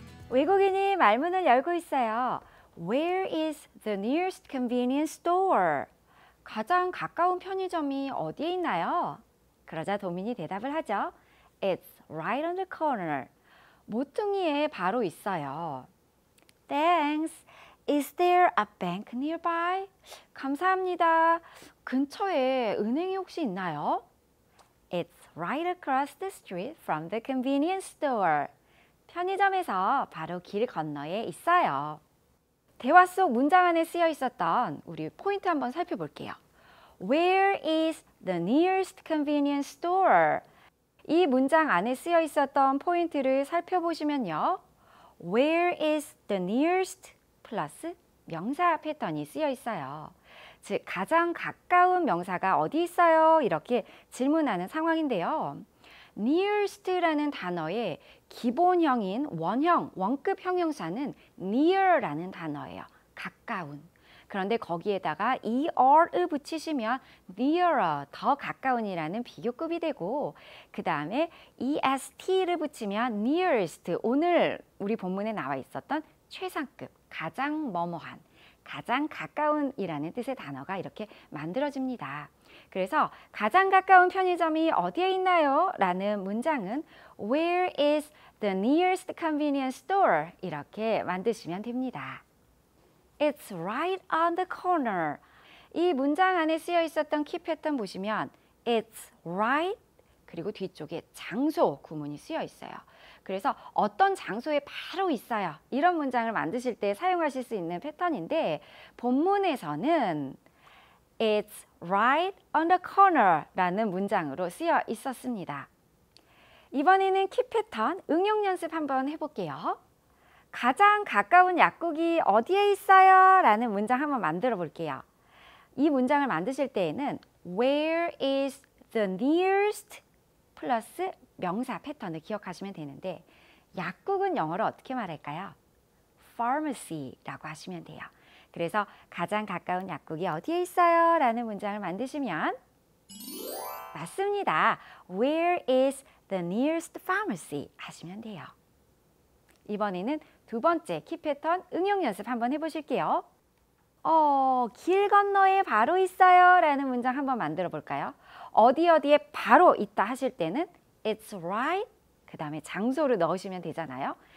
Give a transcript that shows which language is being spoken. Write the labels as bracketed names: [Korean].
[Korean] 외국인이 말문을 열고 있어요. [English] Where is the nearest convenience store? [Korean] 가장 가까운 편의점이 어디에 있나요? 그러자 도민이 대답을 하죠. [English] It's right on the corner. [Korean] 모퉁이에 바로 있어요. [English] Thanks. Is there a bank nearby? [Korean] 감사합니다. 근처에 은행이 혹시 있나요? [English] It's right across the street from the convenience store. [Korean] 편의점에서 바로 길 건너에 있어요. 대화 속 문장 안에 쓰여 있었던 우리 포인트 한번 살펴볼게요. [English] Where is the nearest convenience store? [Korean] 이 문장 안에 쓰여 있었던 포인트를 살펴보시면요. [English] Where is the nearest [Korean] 플러스 명사 패턴이 쓰여 있어요. 즉, 가장 가까운 명사가 어디 있어요? 이렇게 질문하는 상황인데요. Nearest라는 단어의 기본형인 원형, 원급 형용사는 near라는 단어예요. 가까운. 그런데 거기에다가 er을 붙이시면 nearer, 더 가까운이라는 비교급이 되고 그 다음에 est를 붙이면 nearest, 오늘 우리 본문에 나와 있었던 최상급, 가장 뭐뭐한, 가장 가까운이라는 뜻의 단어가 이렇게 만들어집니다. 그래서 가장 가까운 편의점이 어디에 있나요? 라는 문장은 [English] Where is the nearest convenience store? [Korean] 이렇게 만드시면 됩니다. [English] It's right on the corner. [Korean] 이 문장 안에 쓰여 있었던 키 패턴 보시면 [English] It's right, [Korean] 그리고 뒤쪽에 장소 구문이 쓰여 있어요. 그래서 어떤 장소에 바로 있어요. 이런 문장을 만드실 때 사용하실 수 있는 패턴인데 본문에서는 [English] It's right on the corner [Korean] 라는 문장으로 쓰여 있었습니다. 이번에는 키 패턴 응용 연습 한번 해볼게요. 가장 가까운 약국이 어디에 있어요? 라는 문장 한번 만들어 볼게요. 이 문장을 만드실 때에는 [English] Where is the nearest [Korean] 플러스 명사 패턴을 기억하시면 되는데 약국은 영어로 어떻게 말할까요? Pharmacy라고 하시면 돼요. 그래서 가장 가까운 약국이 어디에 있어요? 라는 문장을 만드시면 맞습니다. [English] Where is the nearest pharmacy? [Korean] 하시면 돼요. 이번에는 두 번째 키 패턴 응용 연습 한번 해보실게요. 길 건너에 바로 있어요 라는 문장 한번 만들어 볼까요? 어디 어디에 바로 있다 하실 때는 [English] It's right, [Korean] 그 다음에 장소를 넣으시면 되잖아요.